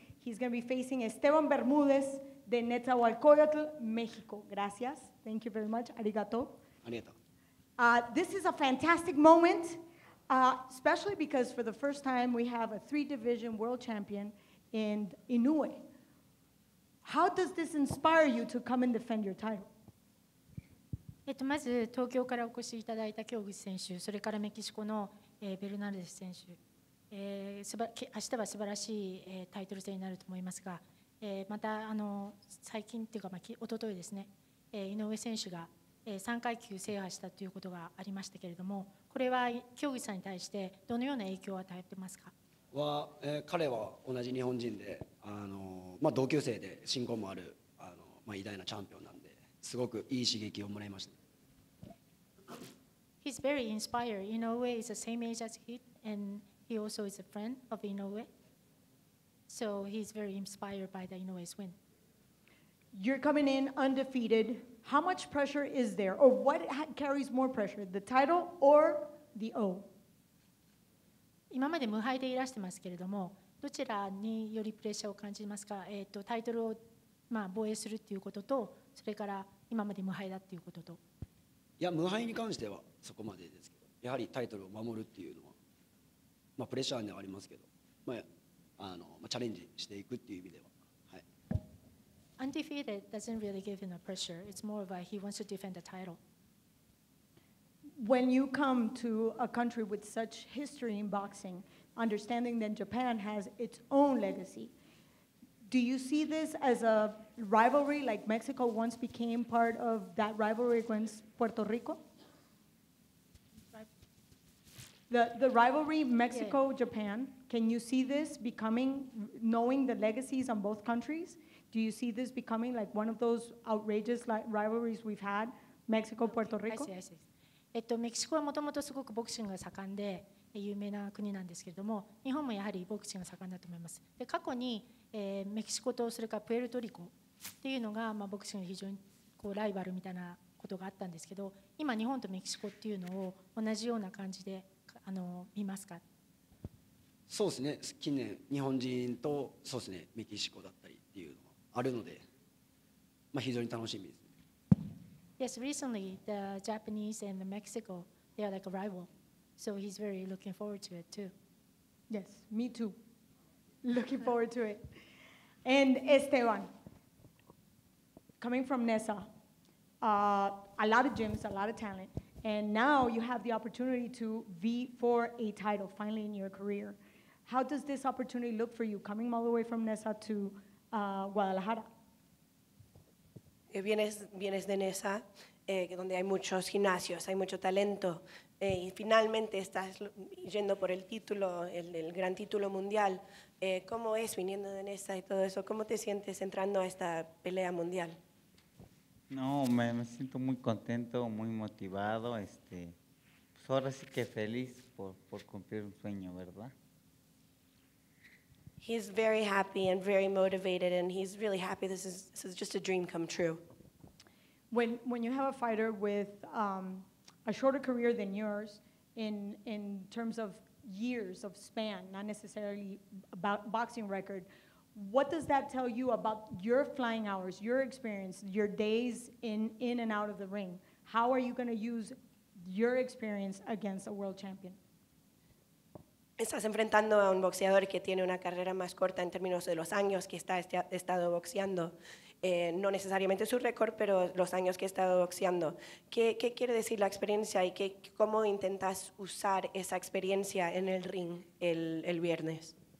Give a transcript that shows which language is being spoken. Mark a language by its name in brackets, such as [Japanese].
[English] He's going to be facing Esteban Bermudez de Nezahualcóyotl, Mexico. Gracias. Thank you very much. Arigato. [Japanese] Arigato. [English] This is a fantastic moment, especially because for the first time we have a three-division world champion in Inoue. How does this inspire you to come and defend your title? [Japanese] まず東京からお越しいただいた京口選手、それからメキシコのベルナルデス選手、明日は素晴らしいタイトル戦になると思いますが、また最近というか、おとといですね、井上選手が3階級制覇したということがありましたけれども、これは京口さんに対してどのような影響を与えてますか？彼は同じ日本人で、同級生で親交もある偉大なチャンピオンなんで、すごくいい刺激をもらいました。 [English] He's very inspired. Inoue is the same age as he, and he also is a friend of Inoue. So he's very inspired by the Inoue's win. You're coming in undefeated. How much pressure is there, or what carries more pressure, the title or the O? [Japanese] 今まで無敗でいらしてますけれども、どちらによりプレッシャーを感じますか？タイトルを防衛するということと、それから今まで無敗だっていうことと、いや無敗に関してはそこまでですけど、やはりタイトルを守るっていうのは、プレッシャーではありますけど、チャレンジしていくっていう意味では、はい。 [English] Undefeated doesn't really give him a pressure. It's more of a he wants to defend the title. When you come to a country with such history in boxing, understanding that Japan has its own legacy. Do you see this as a rivalry, like Mexico once became part of that rivalry against Puerto Rico? The rivalry Mexico-Japan, can you see this becoming, knowing the legacies on both countries, do you see this becoming like one of those outrageous rivalries we've had, Mexico-Puerto Rico? [Japanese] Mexico はもともとすごくボクシングが盛んで有名な国なんですけれども、日本もやはりボクシングが盛んだと思います。で、過去にメキシコとそれからプエルトリコっていうのがボクシングで非常にこうライバルみたいなことがあったんですけど、今日本とメキシコっていうのを同じような感じで見ますか？そうですね、近年日本人とそうですね、メキシコだったりっていうのがあるので、非常に楽しみです。 [English] Yes, recently the Japanese and the Mexico, they are like a rival. So he's very looking forward to it too. Yes, me too. Looking forward to it. And Esteban, coming from NESA, a lot of gyms, a lot of talent, and now you have the opportunity to be for a title finally in your career. How does this opportunity look for you coming all the way from NESA to Guadalajara? [Spanish] Vienes de NESA, donde hay muchos gimnasios, hay mucho talento, y finalmente estás yendo por el título, el gran título mundial. ¿Cómo es viniendo de NESA y todo eso? ¿Cómo te sientes entrando a esta pelea mundial? No, me siento muy contento, muy motivado. Pues ahora sí que feliz por cumplir un sueño, ¿verdad? [English] He's very happy and very motivated, and he's really happy. This is just a dream come true. When you have a fighter with a shorter career than yours, in terms of years of span, not necessarily about boxing record, what does that tell you about your flying hours, your experience, your days in and out of the ring? How are you going to use your experience against a world champion? [Spanish] Estás enfrentando a un boxeador que tiene una carrera más corta en términos de los años que ha estado boxeando. No necesariamente su récord, pero los años que ha estado boxeando. ¿Qué quiere decir la experiencia y cómo intentas usar esa experiencia en el ring el viernes?